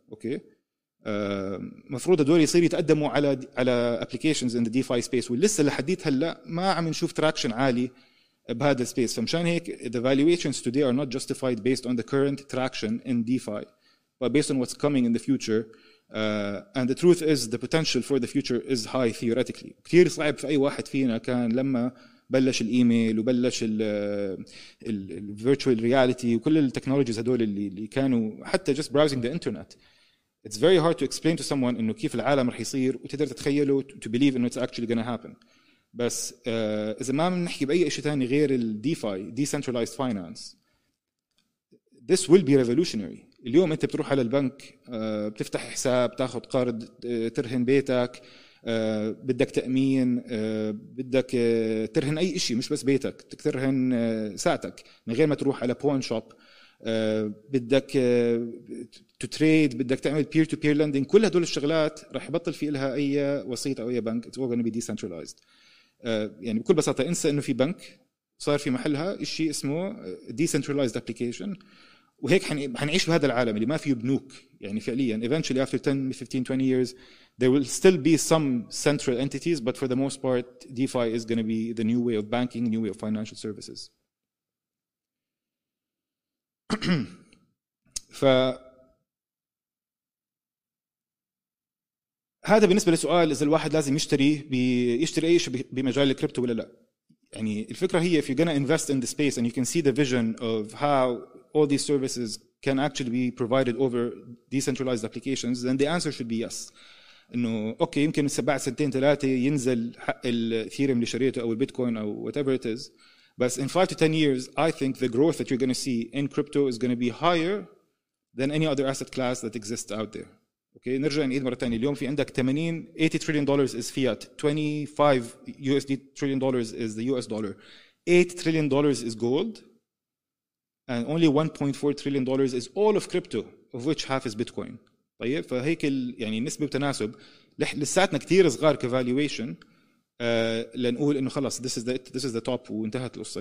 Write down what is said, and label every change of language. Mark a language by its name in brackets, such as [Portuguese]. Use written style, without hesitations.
[Arabic] اوكي, مفروض هدول يصير يتقدموا على [English] applications in the DeFi space, [Arabic] ولسه لحديت هلا ما عم نشوف تراكشن عالي بهذا السبيس. فمشان هيك [English] the valuations today are not justified based on the current traction in DeFi, but based on what's coming in the future. And the truth is the potential for the future is high theoretically. [Arabic] كثير صعب في أي واحد فينا كان لما بلش الإيميل وبلش الـ virtual reality وكل التكنولوجيز هدول اللي كانوا حتى [English] just browsing the internet. It's very hard to explain to someone [Arabic] إنه كيف العالم رح يصير وتقدر تتخيله [English] to believe إنه it's actually gonna happen. [Arabic] بس إذا ما بنحكي بأي إشي تاني غير الـ DeFi, [English] decentralized finance, this will be revolutionary. [Arabic] اليوم أنت بتروح على البنك بتفتح حساب تأخذ قرض ترهن بيتك بدك تأمين بدك ترهن أي إشي مش بس بيتك ترهن ساعتك من غير ما تروح على pawn shop بدك to trade بدك تعمل [English] peer to peer lending [Arabic] كل هدول الشغلات راح يبطل في إلها أي وسيط أو أي بنك. [English] It's all gonna be decentralized. [Arabic] يعني بكل بساطة انسى إنه في بنك صار في محلها إشي اسمه decentralized application, وهيك حنعيش بهذا العالم اللي ما فيه بنوك. يعني فعليا [English] eventually after 10 15 20 years there will still be some central entities, but for the most part DeFi is going to be the new way of banking, new way of financial services. [Arabic] ف هذا بالنسبه للسؤال اذا الواحد لازم يشتري اي شيء بمجال الكريبتو ولا لا. يعني الفكره هي [English] if you're going to invest in the space and you can see the vision of how all these services can actually be provided over decentralized applications, then the answer should be yes. [Arabic] إنه أوكي يمكن سبع سنتين ثلاثة ينزل حق الإثيريوم اللي شريته أو البيتكوين أو [English] whatever it is, but in 5 to 10 years I think the growth that you're going to see in crypto is going to be higher than any other asset class that exists out there. [Arabic] أوكي نرجع نعيد مرة تانية. اليوم في عندك [English] 80 trillion dollars is fiat, 25 trillion dollars is the US dollar, $8 trillion is gold, and only $1.4 trillion is all of crypto, of which half is Bitcoin. [Arabic] طيب فهيك يعني نسبة بتناسب لساتنا كتير صغار كفالويشن لنقول إنه خلاص [English] this is the top [Arabic] وانتهت القصة.